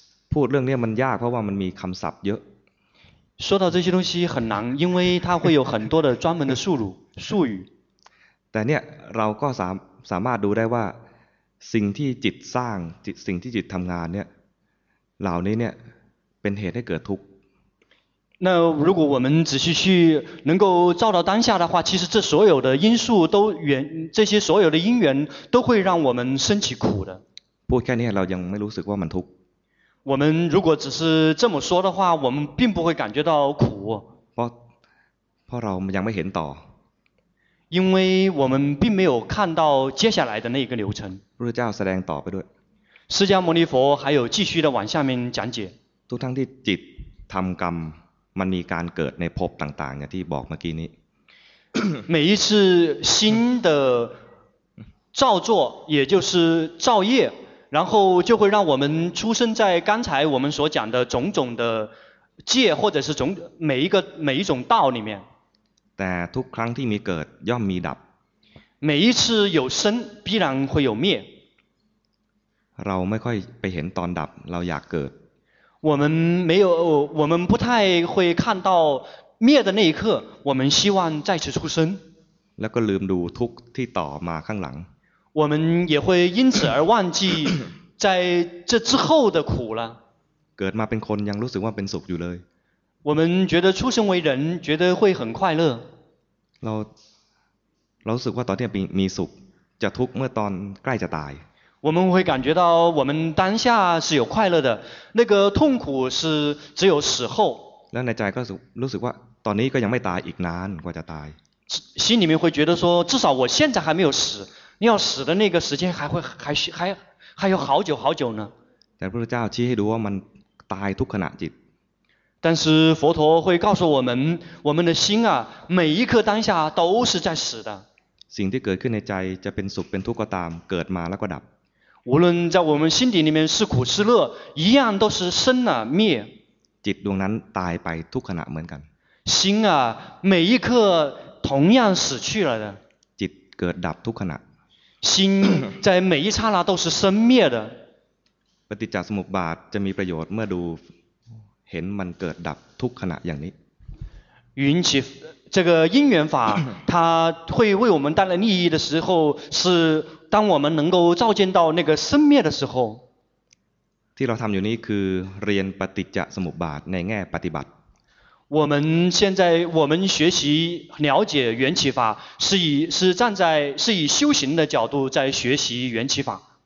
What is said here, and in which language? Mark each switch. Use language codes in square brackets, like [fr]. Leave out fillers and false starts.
[th] พูดเรื่องนี้มันยากเพราะว่ามันมีคำศัพท์เยอะ。 [zh] 说到这些东西很难，因为它会有很多的专门的术语。术语。 [th] แต่เนี่ยเราก็สามารถดูได้ว่าสิ่งที่จิตสร้างจิตสิ่งที่จิตทำงานเนี่ยเหล่านี้เนี่ยเป็นเหตุให้เกิดทุกข์ [zh] 那如果我们仔细去能够照到当下的话其实这所有的因素都缘这些所有的因缘都会让我们生起苦的 [th] พูดแค่นี้เรายังไม่รู้สึกว่ามันทุกข์ [zh] 我们如果只是这么说的话我们并不会感觉到苦 [th] เพราะเรายังไม่เห็นต่อ [zh] 因为我们并没有看到接下来的那个流程。 [th] พระเจ้าแสดงต่อไปด้วย。 [zh] 释迦牟尼佛还有继续的往下面讲解。 [th] ทุกทั้งที่จิตทำกรรมมันมีการเกิดในภพต่างๆอย่างที่บอกเมื่อกี้นี้。 [zh] 每一次新的造作，也就是造业，然后就会让我们出生在刚才我们所讲的种种的界，或者是种每一种道里面。 [th] แต่ทุกครั้งที่มีเกิดย่อมมีดับ [zh] 每一次有生必然会有灭 [th] เราไม่ค่อยไปเห็นตอนดับเราอยากเกิด [zh] 我们没有我们不太会看到灭的那一刻我们希望再次出生 [th] แล้วก็ลืมดูทุกที่ต่อมาข้างหลัง [zh] 我们也会因此而忘记在这之后的苦了 [th] เกิดมาเป็นคนยังรู้สึกว่าเป็นสุขอยู่เลย [zh] วันนี้出生为人觉得会很快乐 [th] เราสึกว่าตอนที่มีสุขจะทุกข์เมื่อตอนใกล้จะตาย [zh] 我们会感觉到我们当下是有快乐的那个痛苦是只有死后 [th] แล้วในใจก็รู้สึกว่าตอนนี้ก็ยังไม่ตายอีกนานกว่าจะตาย [zh] 心里面会觉得说至少我现在还没有死要死的那个时间还有好久好久呢 [th] แต่พระเจ้าชี้ให้ดูว่ามันตายทุกขณะจิต [zh] 但是佛陀会告诉我们我们的心啊每一刻当下都是在死的 [th] สิ่งที่เกิดขึ้นในใจจะเป็นสุขเป็นทุกข์ก็ตามเกิดมาแล้วก็ดับ [zh] 无论在我们心底里面是苦是乐一样都是生了灭 [th] จิตดวงนั้นตายไปทุกขณะเหมือนกัน [zh] 心啊每一刻同样死去了的 [th] จิตเกิดดับทุกขณะ [zh] 心在每一刹那都是生灭的 [th] ปฏิจจสมุปบาทจะมีประโยชน์เมื่อดูเห็นมันเกิดดับทุกขณะอย่างนี้ [zh] 云起这个因缘法它会为我们带来利益的时候是当我们能够照见到那个生灭的时候 [th] ที่เราทำอยู่นี้คือเรียนปฏิจจสมุปบาทในแง่ปฏิบัติ [zh] 我们现在我们学习了解缘起法是以修行的角度在学习缘起法